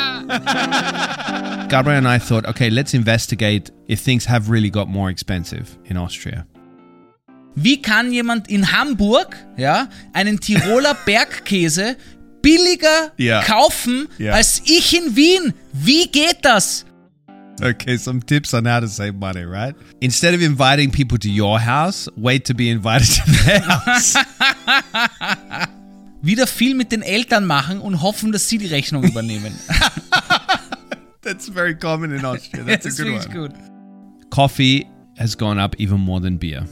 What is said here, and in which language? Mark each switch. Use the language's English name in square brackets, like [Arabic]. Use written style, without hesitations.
[English] Gabriel and I thought, okay, let's investigate if things have really got more expensive in Austria. [German] Wie kann jemand in Hamburg, ja, einen Tiroler Bergkäse billiger kaufen als ich in Wien? Wie geht das? [English] Okay, some tips on how to save money, right? Instead of inviting people to your house, wait to be invited to their house. [German] Wieder viel mit den Eltern machen und hoffen, dass sie die Rechnung übernehmen. [English] That's very common in Austria. That's a good one. That's good. Coffee has gone up even more than beer.